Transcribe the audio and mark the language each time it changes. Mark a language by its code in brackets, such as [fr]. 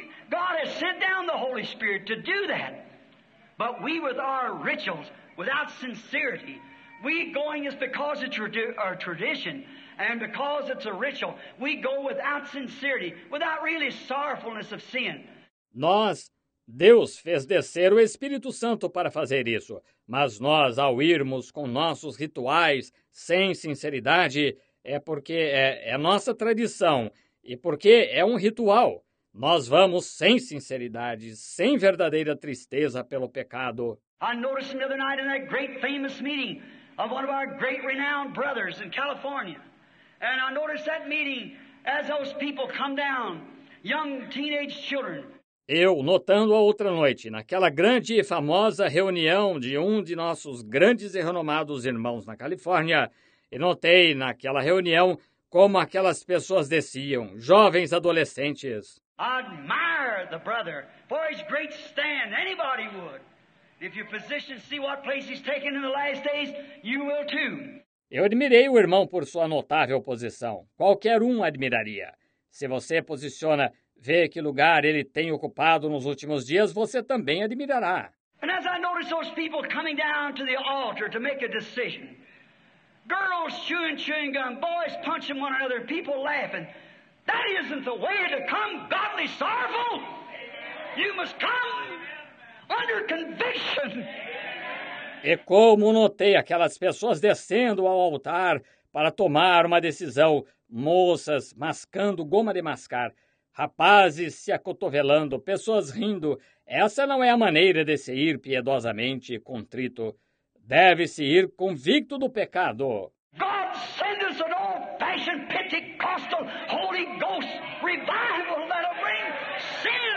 [en] God has sent down the Holy Spirit to do that. But we with our rituals, without sincerity, we going is because it's our tradition and because it's a ritual. We go without sincerity, without really sorrowfulness of sin. [pt] Nós, Deus fez descer o Espírito Santo para fazer isso. Mas nós, ao irmos com nossos rituais sem sinceridade, é porque é nossa tradição e porque é um ritual. Nós vamos sem sinceridade, sem verdadeira tristeza pelo pecado. [en] I noticed the other night in that great famous meeting of one of our great renowned brothers in California. And I noticed that meeting as those people come down, young teenage children. [pt] Eu, notando a outra noite, naquela grande e famosa reunião de um de nossos grandes e renomados irmãos na Califórnia, e notei naquela reunião como aquelas pessoas desciam, jovens adolescentes. [en] I admire the brother for his great stand. Anybody would. If you position, see what place he's taken in the last days, you will too. [pt] Eu admirei o irmão por sua notável posição. Qualquer um admiraria. Se você posiciona, vê que lugar ele tem ocupado nos últimos dias, você também admirará. [en] And as I noticed those people coming down to the altar to make a decision, girls chewing chewing gum, boys punching one another, people laughing, that isn't the way to come godly sorrowful. You must come under conviction. [pt] E como notei aquelas pessoas descendo ao altar para tomar uma decisão, moças mascando goma de mascar, rapazes se acotovelando, pessoas rindo. Essa não é a maneira de se ir piedosamente e contrito. Deve-se ir convicto do pecado. [en] God send us an old-fashioned Pentecostal Holy Ghost revival that'll bring sin.